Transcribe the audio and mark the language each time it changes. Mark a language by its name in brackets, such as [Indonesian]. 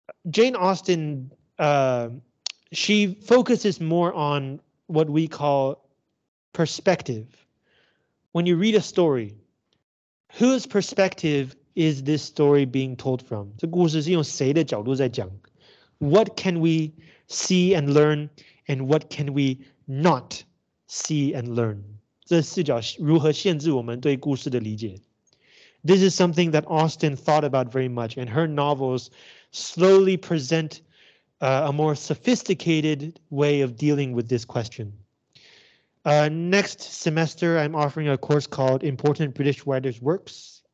[English] Jane Austen, she focuses more on what we call perspective. When you read a story, whose perspective is this story being told from? [Chinese] 这故事是用谁的角度在讲? [English] What can we see and learn, and what can we not see and learn? [Chinese] 这视角如何限制我们对故事的理解? [English] This is something that Austen thought about very much, and her novels slowly present a more sophisticated way of dealing with this question. Next semester, I'm offering a course called Important British Writers' Works.